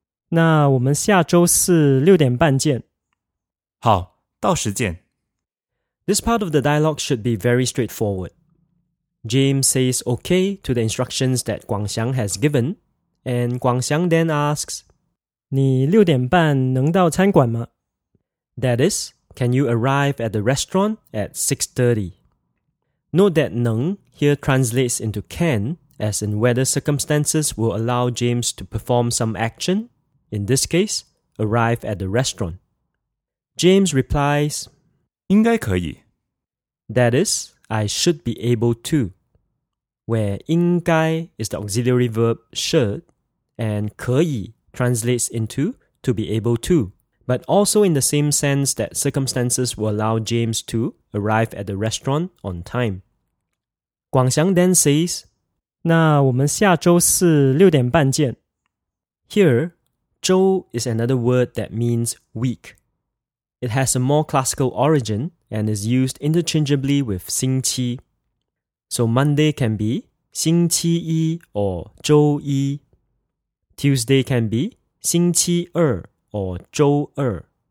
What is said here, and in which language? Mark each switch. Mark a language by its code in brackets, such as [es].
[zh] 那我们下周四六点半见。好，到时见。 [en] This part of the dialogue should be very straightforward. James says okay to the instructions that Guangxiang has given, and Guangxiang then asks, [zh] 你六点半能到餐馆吗？ [en] That is, can you arrive at the restaurant at 6:30? Note that 能 here translates into can, as in whether circumstances will allow James to perform some action, in this case, arrive at the restaurant. James replies, [zh] 应该可以。 [en] That is, I should be able to. Where 应该 is the auxiliary verb should, and 可以translates into to be able to, but also in the same sense that circumstances will allow James to arrive at the restaurant on time. Guangxiang then says, [zh] 那我们下周四六点半见。 [en] Here, 周 is another word that means week. It has a more classical origin and is used interchangeably with 星期。 So Monday can be 星期一 or 周一。 Tuesday can be 星期二 or 周二。